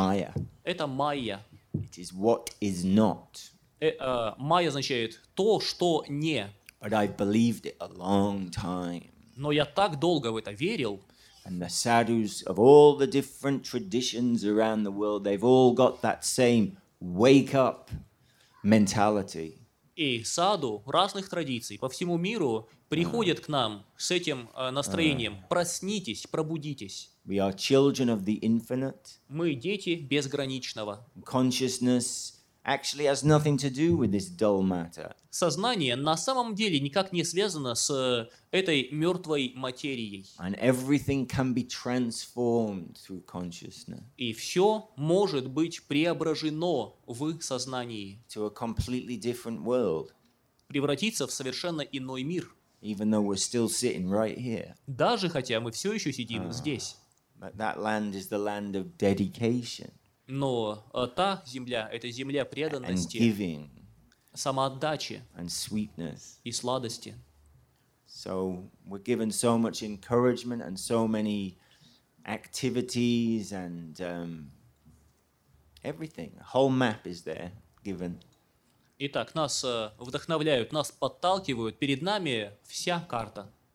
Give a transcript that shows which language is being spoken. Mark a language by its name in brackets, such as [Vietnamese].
[English] It's Maya. [Russian] Это майя. [English] It is what is not. [Russian] Майя означает то, что не. [English] But I believed it a long time. [Russian] Но я так долго в это верил. [English] And the sadhus of all the different traditions around the world, they've all got that same wake-up mentality. [Russian] И саду разных традиций по всему миру приходят к нам с этим настроением. Проснитесь, пробудитесь. [English] We are children of the infinite. [Russian] Мы дети безграничного. [English] Consciousness actually has nothing to do with this dull matter. [Russian] Сознание на самом деле никак не связано с этой мертвой материей. [English] And everything can be transformed through consciousness. [Russian] И все может быть преображено в сознании. [English] To a completely different world. [Russian] Превратиться в совершенно иной мир. [English] Even though we're still sitting right here. [Russian] Даже хотя мы все еще сидим здесь. [English] But that land is the land of dedication. [Russian] Но та земля, это земля преданности, [English] giving, [Russian] самоотдачи [English] and sweetness. [Russian] И сладости. [English] So we're given so much encouragement and so many activities and everything. Whole map is there given. [Russian] Итак, нас вдохновляют, нас подталкивают, перед нами вся карта.